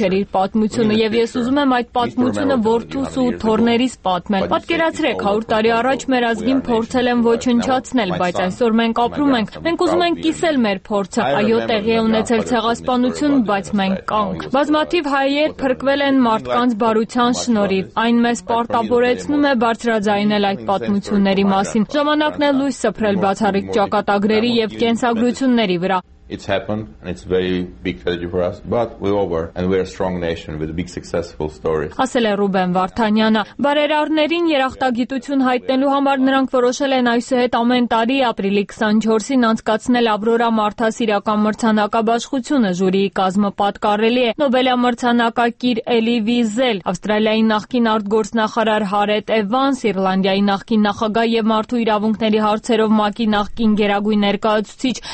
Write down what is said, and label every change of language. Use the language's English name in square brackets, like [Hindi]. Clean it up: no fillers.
[Armenian] էր իր պատմությունը, և ես ուզում եմ այդ պատմությունը որդուս ու թոռներիս պատմել։ Պատկերացրեք, 100 տարի առաջ մեր ազգին փորձել են ոչնչացնել, բայց այսօր մենք ապրում ենք, մենք ուզում ենք կիսել մեր փորձը։ Այո, տեղի է ունեցել ցեղասպանություն, բայց մենք կանք։ Բազմաթիվ հայեր փրկվել են մարդկանց բարության շնորհիվ, այն մեզ պարտավորեցնում է բարձրաձայնել այդ պատմությունների մասին։ Ժամանակն է լույս սփռել բացառիկ ճակատագրերի և կենսագրությունների վրա։ [English] It's happened and it's very big tragedy for us, but we're over and we're a strong nation with a big successful story. [Armenian] Ասել է Ռուբեն Վարդանյանը, բարերարներին երախտագիտություն հայտնելու համար նրանք որոշել են այսուհետ ամեն տարի ապրիլի 24-ին անցկացնել Ավրորա մարդասիրական մրցանակաբաշխությունը, ժյուրիի կազմը պատկառելի է Նոբելյան մրցանակակիր Էլի Վիզել, Ավստրալիայի նախկին արտգործնախարար Հարետ Էվանս, Իռլանդիայի նախկին նախագահ և մարդու իրավունքների հարցերով ՄԱԿ-ի նախկին գերագույն ներկայացուցիչ